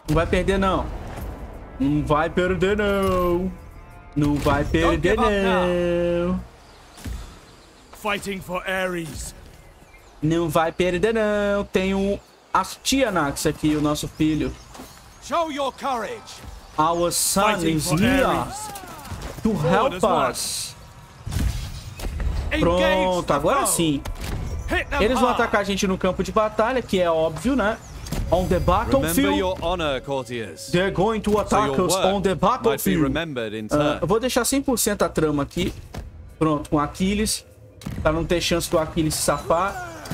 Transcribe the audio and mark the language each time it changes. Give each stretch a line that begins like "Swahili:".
Portuguese: Não vai perder, não. Não vai perder, não. Não vai perder, não.
English: Fighting for Ares.
Portuguese: Não vai perder, não. Tem um Astianax aqui, o nosso filho.
English: Show your courage. Our son fighting is here. To help us.
Portuguese: Pronto, agora sim. Eles vão atacar a gente no campo de batalha, que é óbvio, né?
English: On the battlefield. They're going to attack us on the battlefield.
Portuguese: Eu vou deixar 100% a trama aqui. Pronto, com Aquiles. Pra não ter chance do Aquiles se safar.